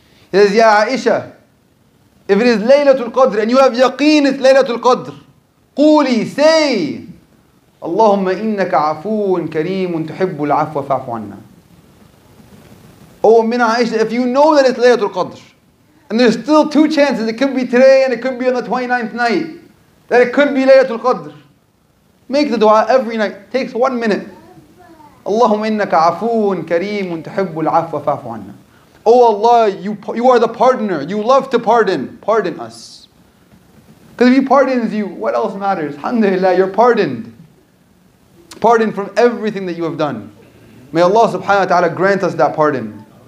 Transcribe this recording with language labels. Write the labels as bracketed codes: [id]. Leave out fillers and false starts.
[en] He says, Ya Aisha, if it is Laylatul Qadr and you have yaqeen it's Laylatul Qadr, quli, say, [ar] اللهم إنك عفو كريم تحب العفو فاعف عنا. [en] Oh, Umm Aisha, if you know that it's Laylatul Qadr, and there's still 2 chances, it could be today and it could be on the 29th night, that it could be Laylatul Qadr, make the dua every night. It takes 1 minute. [ar] اللهم إنك عفو كريم تحب العفو فاعف عنا. [en] Oh Allah, you are the pardoner. You love to pardon. Pardon us. Because if He pardons you, what else matters? Alhamdulillah, you're pardoned. Pardon from everything that you have done. May Allah subhanahu wa ta'ala grant us that pardon.